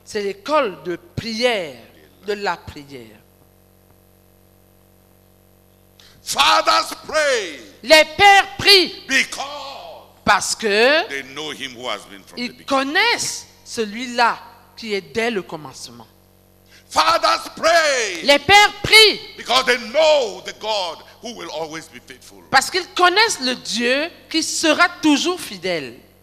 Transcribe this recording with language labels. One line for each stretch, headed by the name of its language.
French: C'est l'école de prière, de la prière.
English: Fathers pray.
French: Les pères prient.
English: Because
French: parce que
English: they know him who has been from
French: ils connaissent celui-là qui est dès le commencement.
English: Fathers pray.
French: Les pères prient.
English: Because they know the God who will always be faithful.
French: Parce qu'ils connaissent le Dieu qui sera toujours fidèle.